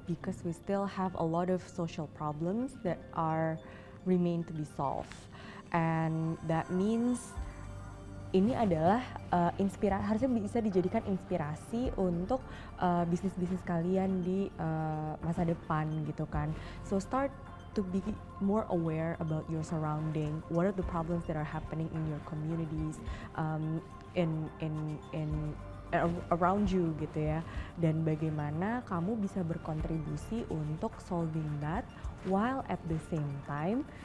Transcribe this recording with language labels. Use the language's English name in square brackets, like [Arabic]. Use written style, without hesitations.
[English] Because we still have a lot of social problems that are remain to be solved. And that means [Indonesian] ini adalah harusnya bisa dijadikan inspirasi untuk bisnis-bisnis kalian di masa depan gitu kan. [English] So start to be more aware about your surrounding. What are the problems that are happening in your communities, in around you [Indonesian] gitu ya. Dan bagaimana kamu bisa berkontribusi untuk [English] solving that while at the same time.